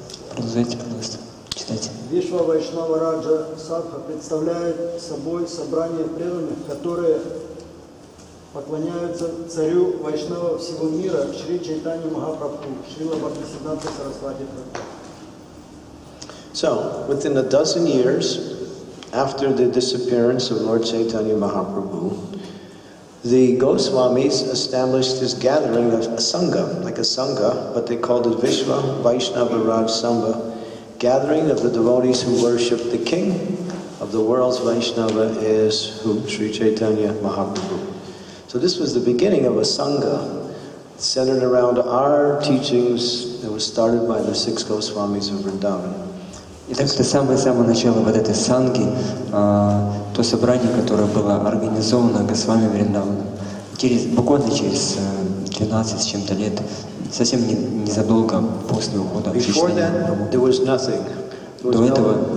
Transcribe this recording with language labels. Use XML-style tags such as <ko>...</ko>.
<ru>Продолжайте, пожалуйста. Читайте. Вишва Вайшнава Раджа Сабха представляет собой собрание преданных, которые поклоняются царю Вайшнава всего мира, Шри Чайтанья Махапрабху, Шрила Бхактисиддханта Сарасвати Прабху.</ru> <en>So, within a dozen years after the disappearance of Lord Chaitanya Mahaprabhu, the Goswamis established this gathering of a Sangha, like a Sangha, but they called it Vishwa Vaishnava Raj Sambha, gathering of the devotees who worship the king of the world's Vaishnava is who? Sri Chaitanya Mahaprabhu. So this was the beginning of a Sangha centered around our teachings that was started by the six Goswamis of Vrindavan.</en> <ru>Итак, это самое-самое начало вот этой санги, то собрание, которое было организовано Госвами Вриндавана, буквально через 12 с чем-то лет, совсем незадолго после ухода.</ru> <en>Before that, there was nothing.</en> <ru>До этого</ru>